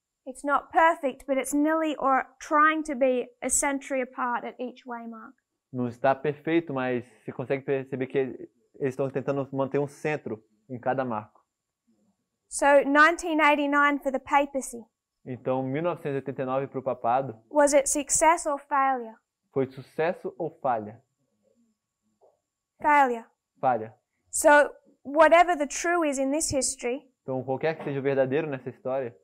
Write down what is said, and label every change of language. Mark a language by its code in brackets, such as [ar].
[en] It's not perfect, but it's nearly or trying to be a century apart at each waymark. [pt] Não está perfeito, mas se consegue perceber que eles estão tentando manter um centro em cada marco. [en] So 1989 for the papacy. [pt] Então 1989 para o papado. [en] Was it success or failure? [pt] Foi sucesso ou falha? [en] Failure. [pt] Falha. [en] So whatever the true is in this history. [pt] Então, qualquer que seja o verdadeiro nessa história.